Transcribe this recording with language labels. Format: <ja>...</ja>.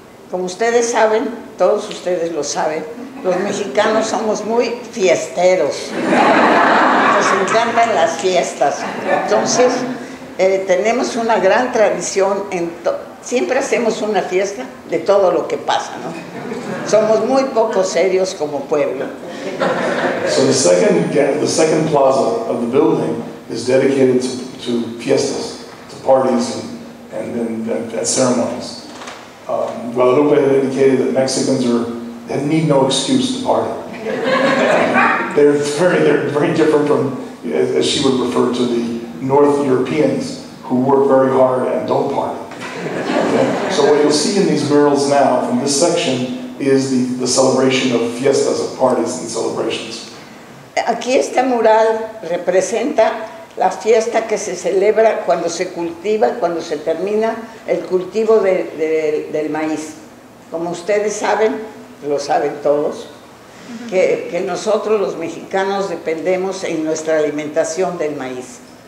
<es>Como ustedes saben, todos ustedes lo saben, los mexicanos somos muy fiesteros. Nos encantan las fiestas. Entonces, tenemos una gran tradición. Siempre hacemos una fiesta de todo lo que pasa, ¿no? Somos muy poco serios como pueblo.</es> <en>So the second plaza of the building is dedicated to fiestas, to parties and ceremonies. Guadalupe had indicated that Mexicans they need no excuse to party. They're very different from, as she would refer to, the North Europeans who work very hard and don't party. Okay? So what you'll see in these murals now from this section is the celebration of fiestas, of parties and celebrations.</en> <es>Aquí este mural representa la fiesta que se celebra cuando se cultiva, cuando se termina el cultivo del maíz. Como ustedes saben, lo saben todos, que nosotros los mexicanos dependemos en nuestra alimentación del maíz.</es>